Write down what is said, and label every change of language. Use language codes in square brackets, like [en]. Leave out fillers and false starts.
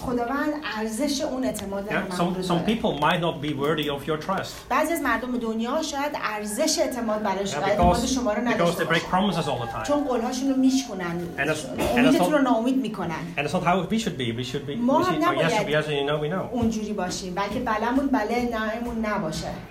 [fa] خداوند ارزش اون اعتماد رو [en] Some people might not be worthy of your trust. [fa] بعضی از مردم دنیا شاید ارزش اعتماد برای شما رو نداشته باشن. [en] Because they break promises all the time. [fa] چون قولهاشون رو میشکنن. امیدتون رو ناامید میکنن. [en] And it's not how we should be. We should be. [fa] ما نباید. [en] Yes, and you know, we know. [fa] اونجوری باشیم. بلکه بلمون بله نهمون نباشه.